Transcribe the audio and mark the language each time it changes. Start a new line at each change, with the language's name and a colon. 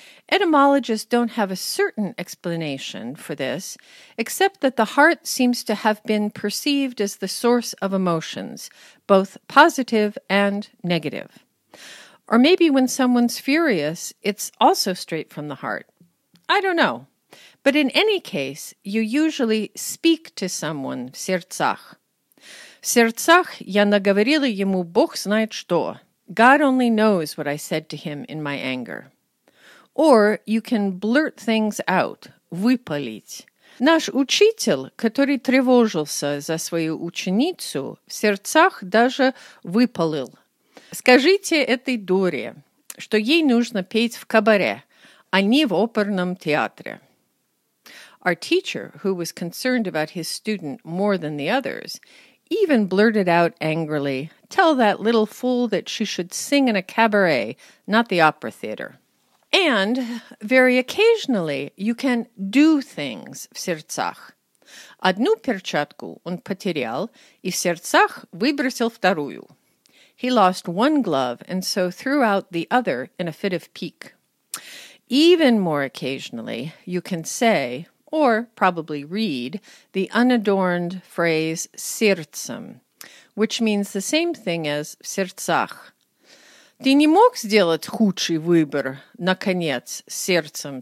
English: Etymologists don't have a certain explanation for this, except that the heart seems to have been perceived as the source of emotions, both positive and negative. Or maybe when someone's furious, it's also straight from the heart. I don't know. But in any case, you usually speak to someone, сердцах.
Russian: Сердцах я наговорила ему Бог знает что.
English: God only knows what I said to him in my anger. Or you can blurt things out, выпалить.
Russian: Наш учитель, который тревожился за свою ученицу, в сердцах даже выпалил. Скажите этой дуре, что ей нужно петь в кабаре, а не в оперном театре.
English: Our teacher, who was concerned about his student more than the others, even blurted out angrily, "Tell that little fool that she should sing in a cabaret, not the opera theater." And, very occasionally, you can do things в сердцах.
Russian: Одну перчатку он потерял, и в сердцах выбросил вторую.
English: He lost one glove and so threw out the other in a fit of pique. Even more occasionally, you can say, or probably read, the unadorned phrase сердцем, which means the same thing as в сердцах.
Russian: «Ты не мог сделать худший выбор, наконец, сердцем?»